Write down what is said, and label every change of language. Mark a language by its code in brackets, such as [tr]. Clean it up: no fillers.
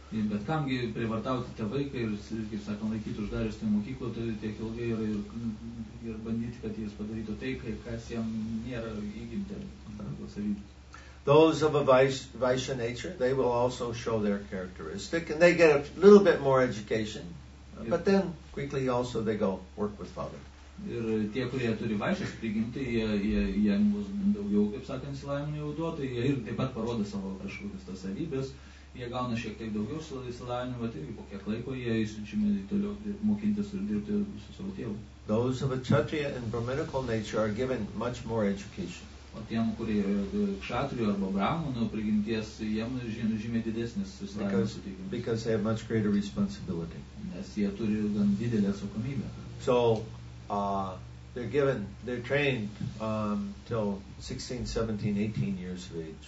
[lt] Bet kamgi prievartauti tą vaiką ir, kaip sakant, laikyti uždarius tai mokyklą, tai tiek ilgai ir bandyti, kad jis padarytų tai, kas jam nėra įgimta savybė. [en] Those of a vaisya nature, they will also show their characteristic, and they get a little bit more education, but then quickly also they go work with father. [lt] Ir tie, kurie turi vaisyas prigimti, jie bus daugiau, kaip sakant, įsilavinimo jau duoti, jie ir taip pat parodo savo kažkokias tas savybės, jie gauna šiek tiek daugiau įsilavinimo, bet irgi po kiek laiko jie įsiunčiami toliau mokintis ir dirbti su savo tėvu. [en] Those of a kshatriya and brahminical nature are given much more education. [lt] O tiem, kurie kšatrių arba brahmanų prigimties, jiem žymiai didesnis susidarymas suteikimas. [en] Because they have much greater responsibility. [lt] Nes jie turi gan didelę atsakomybę. [en] So, they're trained till 16, 17, 18 years of age.